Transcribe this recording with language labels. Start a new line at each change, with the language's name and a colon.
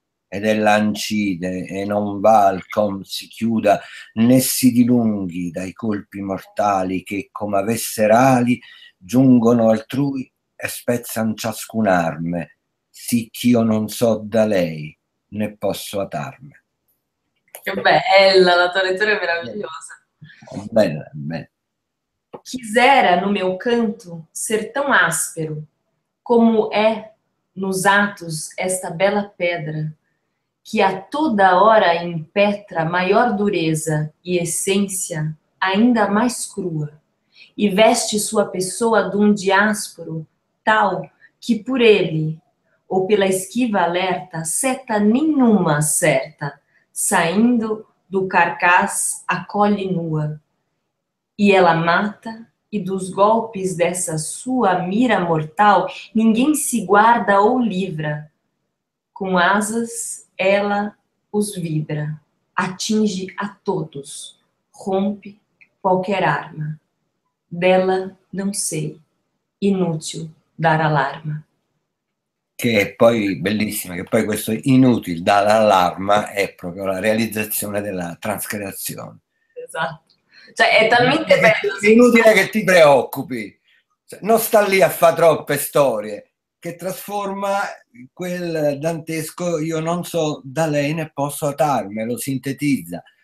Italian: Ed ella ancide e non val com si chiuda, né si dilunghi dai colpi mortali che, come avesse rali, giungono altrui e spezzan ciascun arme, sì ch'io non so da lei né posso atarme. Che bella, la tua lettura è meravigliosa. Bella, bella.
Portuguese: Quisera no meu canto ser tão áspero como é nos atos esta bela pedra que a toda hora impetra maior dureza e essência ainda mais crua e veste sua pessoa de um diásporo tal que por ele ou pela esquiva alerta seta nenhuma certa saindo do carcaz acolhe nua e ela mata e dos golpes dessa sua mira mortal ninguém se guarda ou livra com asas ela os vibra atinge a todos rompe qualquer arma dela não sei inútil dar alarma
Italian: che è poi bellissima, che poi questo inutile dare allarma è proprio la realizzazione della transcreazione. Esatto. Cioè è talmente bello. Inutile che ti preoccupi, cioè, non sta lì a fare troppe storie, che trasforma quel dantesco io non so da lei ne posso atarmi, lo sintetizza.